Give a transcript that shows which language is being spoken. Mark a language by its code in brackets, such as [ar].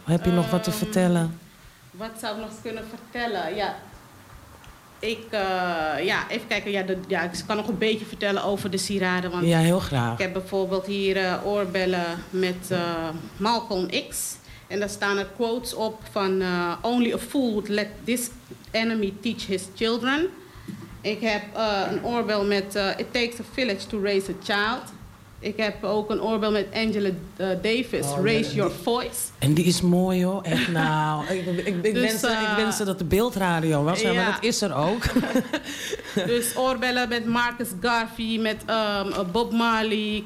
[nl] Heb je nog wat te vertellen? Wat zou ik nog kunnen vertellen? Ja. Ik kan nog een beetje vertellen over de sieraden. Want ja, heel graag. Ik heb bijvoorbeeld hier oorbellen met Malcolm X. En daar staan er quotes op van... [en] Only a fool would let this enemy teach his children. [nl] Ik heb een oorbel met... [en] It takes a village to raise a child. [nl] Ik heb ook een oorbel met Angela Davis. [en] Raise your voice. [nl] En die is mooi, hoor. Echt nou. Ik wens dat de beeldradio was. Ja. Maar dat is er ook. Dus oorbellen met Marcus Garvey. Met Bob Marley.